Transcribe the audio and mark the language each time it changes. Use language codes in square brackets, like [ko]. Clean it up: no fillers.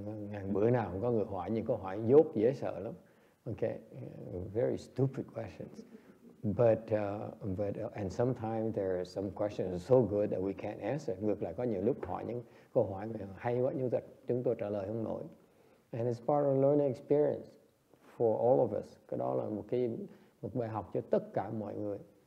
[vi] Ngày bữa nào cũng có người hỏi những câu hỏi dốt dễ sợ lắm. [en] Okay, very stupid questions. And sometimes there are some questions so good that we can't answer. [vi] Ngược lại có nhiều lúc hỏi những câu hỏi hay quá nhưng chúng tôi trả lời không nổi. [en] And it's part of a learning experience for all of us. [vi] Cái đó là một cái một bài học cho tất cả mọi người.